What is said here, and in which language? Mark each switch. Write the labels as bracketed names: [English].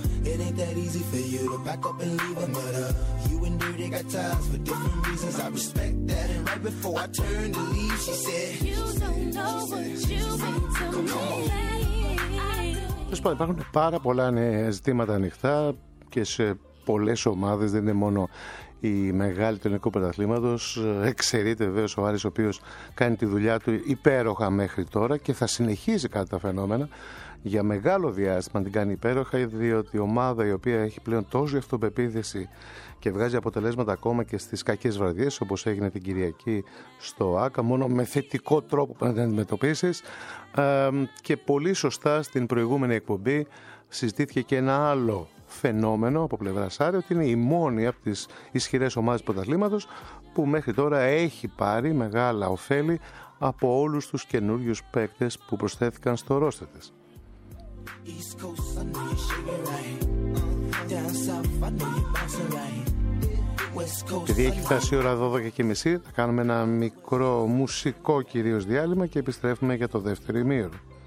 [English] It ain't that easy for you to back up and leave a mother. You and Dirty got ties for different reasons. I respect that. And right before I turned to leave, she said, You don't know what you mean to me. [Greek] Τέλος πάντων, υπάρχουν πάρα πολλά ζητήματα ανοιχτά και σε πολλές ομάδες. Δεν είναι μόνο η μεγάλη του ελληνικού πρωταθλήματος. Εξαιρείται βέβαια ο Άρης, ο οποίος κάνει τη δουλειά του υπέροχα μέχρι τώρα και θα συνεχίζει κατά τα φαινόμενα. Για μεγάλο διάστημα την κάνει υπέροχα, διότι η ομάδα η οποία έχει πλέον τόση αυτοπεποίθηση και βγάζει αποτελέσματα ακόμα και στις κακές βραδιές, όπως έγινε την Κυριακή στο ΆΚΑ, μόνο με θετικό τρόπο να την αντιμετωπίσεις. Και πολύ σωστά στην προηγούμενη εκπομπή συζητήθηκε και ένα άλλο φαινόμενο από πλευρά Σάρι, ότι είναι η μόνη από τις ισχυρές ομάδες πρωταθλήματος που μέχρι τώρα έχει πάρει μεγάλα ωφέλη από όλους τους καινούριους παίκτες που προσθέθηκαν στο ρόστερ της. [English] East Coast, I know you're shaking right. Down south, I know you're bouncing right. [Greek] Επειδή έχει φτάσει η ώρα 12.30, θα κάνουμε ένα μικρό μουσικό κυρίως διάλειμμα και επιστρέφουμε για το δεύτερο ημίωρο.